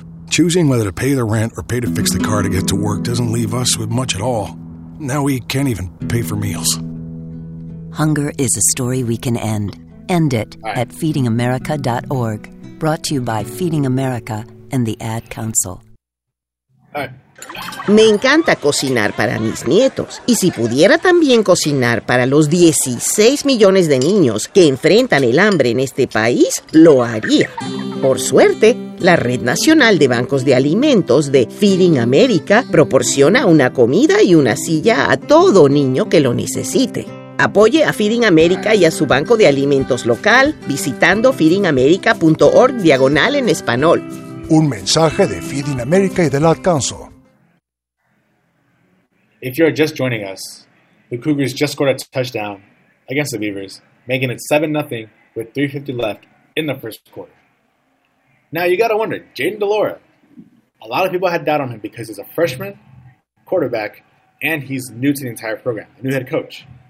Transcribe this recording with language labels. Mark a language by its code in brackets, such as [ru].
[en] Choosing whether to pay the rent or pay to fix the car to get to work doesn't leave us with much at all. Now we can't even pay for meals. Hunger is a story we can end. End it at feedingamerica.org. Brought to you by Feeding America and the Ad Council. [es] Me encanta cocinar para mis nietos. Y si pudiera también cocinar para los 16 millones de niños que enfrentan el hambre en este país, lo haría. Por suerte, la Red Nacional de Bancos de Alimentos de Feeding America proporciona una comida y una silla a todo niño que lo necesite. Apoye a Feeding America y a su banco de alimentos local visitando feedingamerica.org/en español. Un mensaje de Feeding America y del Ad Council. [en] If you're just joining us, the Cougars just scored a touchdown against the Beavers, making it 7-0 with 3:50 left in the first quarter. Now you gotta wonder, Jaden Delora. A lot of people had doubt on him because he's a freshman quarterback and he's new to the entire program, a new head coach.